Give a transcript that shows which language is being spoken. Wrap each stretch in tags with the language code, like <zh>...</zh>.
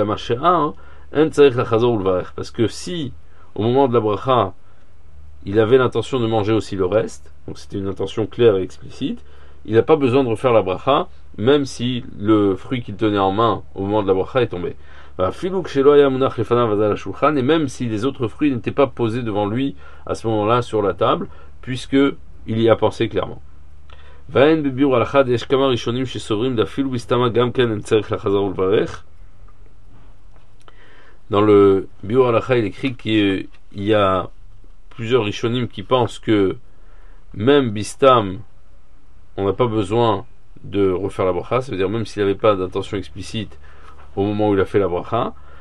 <fr>Parce que si, au moment de la bracha, il avait l'intention de manger aussi le reste, donc c'était une intention claire et explicite, il n'a pas besoin de refaire la bracha, même si le fruit qu'il tenait en main au moment de la bracha est tombé. Et même si les autres fruits n'étaient pas posés devant lui à ce moment-là sur la table, puisqu'il y a pensé clairement.</fr> <he>ואין בביור על אחד, יש כמה ראשונים שסוברים דאפילו בסתמה גם כן אין צריך לחזר ולברך.</he> <fr>Dans le Biur Halakha, il écrit qu'il y a plusieurs rishonim qui pensent que même Bistam, on n'a pas besoin de refaire la bracha, c'est-à-dire même s'il n'avait pas d'intention explicite au moment où il a fait la bracha,</fr>